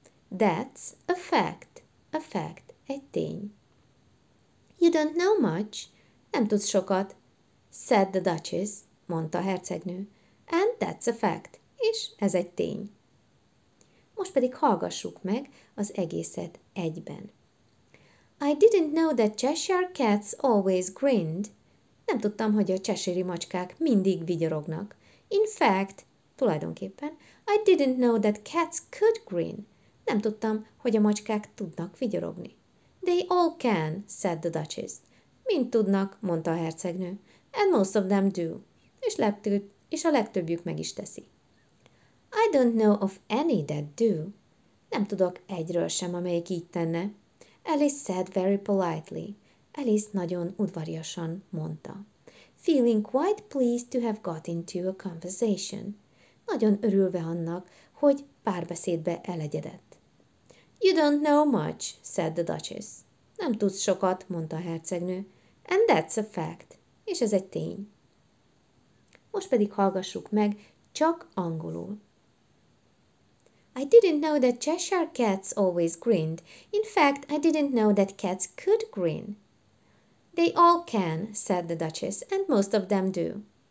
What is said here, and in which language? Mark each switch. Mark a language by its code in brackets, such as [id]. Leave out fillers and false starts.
[en] That's a fact. A fact. [hu] Egy tény. [en] You don't know much. [hu] Nem tudsz sokat. [en] Said the Duchess, [hu] mondta a hercegnő. [en] And that's a fact. [hu] És ez egy tény. Most pedig hallgassuk meg az egészet egyben. [en] I didn't know that Cheshire cats always grinned. [hu] Nem tudtam, hogy a cheshire-i macskák mindig vigyorognak. [en] In fact, [hu] tulajdonképpen, [en] I didn't know that cats could grin. [hu] Nem tudtam, hogy a macskák tudnak vigyorogni. [en] They all can, said the Duchess. [hu] Mind tudnak, mondta a hercegnő. [en] And most of them do. [hu] És a legtöbbjük meg is teszi. [en] I don't know of any that do. [hu] Nem tudok egyről sem, amelyik így tenne. [en] Alice said very politely. [hu] Alice nagyon udvariasan mondta. [en] Feeling quite pleased to have got into a conversation. [hu] Nagyon örülve annak, hogy párbeszédbe elegyedett. [en] You don't know much, said the Duchess. [hu] Nem tudsz sokat, mondta a hercegnő. [en] And that's a fact. [hu] És ez egy tény. Most pedig hallgassuk meg csak angolul. [en] I didn't know that Cheshire cats always grinned. In fact, I didn't know that cats could grin. They all can, said the Duchess, and most of them do.